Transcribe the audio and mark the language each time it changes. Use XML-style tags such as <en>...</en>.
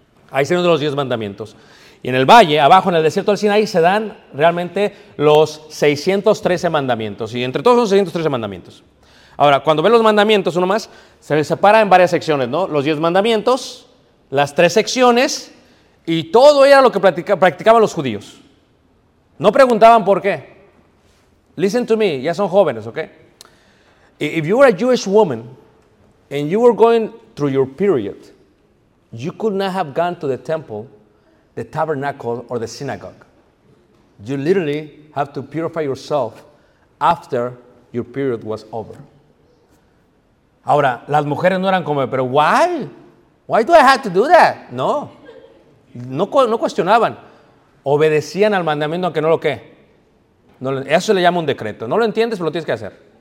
<es>Ahí se nos dan los 10 mandamientos. Y en el valle, abajo en el desierto del Sinaí, se dan realmente los 613 mandamientos. Y entre todos son 613 mandamientos. Ahora, cuando ven los mandamientos, uno más, se les separa en varias secciones, ¿no? Los 10 mandamientos, las tres secciones, y todo era lo que practicaban los judíos. No preguntaban por qué.</es> <en>Listen to me,</en> <es>ya son jóvenes, ¿ok?</es> <en>If you were a Jewish woman and you were going through your period, you could not have gone to the temple, the tabernacle, or the synagogue. You literally have to purify yourself after your period was over.</en> <es>Ahora, las mujeres no eran como, pero</es> <en>why? Why do I have to do that?</en> <es>No. No cuestionaban. Obedecían al mandamiento aunque no lo que. Eso le llama un decreto. No lo entiendes, pero lo tienes que hacer.</es>